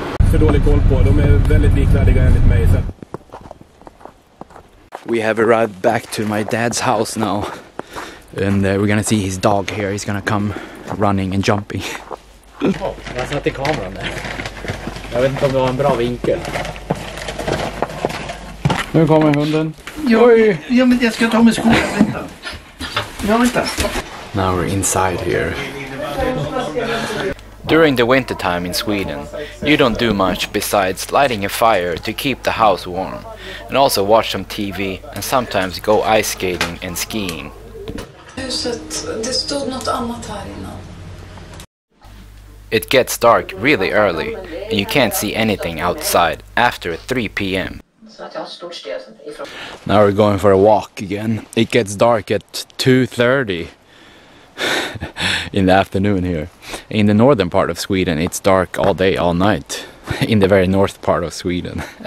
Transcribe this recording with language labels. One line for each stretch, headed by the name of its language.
Swedish: För dålig koll på, de är väldigt likvärdiga enligt mig.
English: We have arrived back to my dad's house now, and we're gonna see his dog here. He's gonna come running and jumping.
Swedish: Oh, jag satte kameran där. Jag vet inte om det var en bra vinkel. Nu kommer hunden. Ja, men jag ska ta med skorna. Vänta. Ja, vänta.
English: Now we're inside here. During the winter time in Sweden, you don't do much besides lighting a fire to keep the house warm, and also watch some TV and sometimes go ice skating and skiing.
Swedish: Huset, det stod något annat här innan.
English: It gets dark really early, and you can't see anything outside after 3 p.m. Now we're going for a walk again. It gets dark at 2:30. In the afternoon here. In the northern part of Sweden, it's dark all day, all night. In the very north part of Sweden.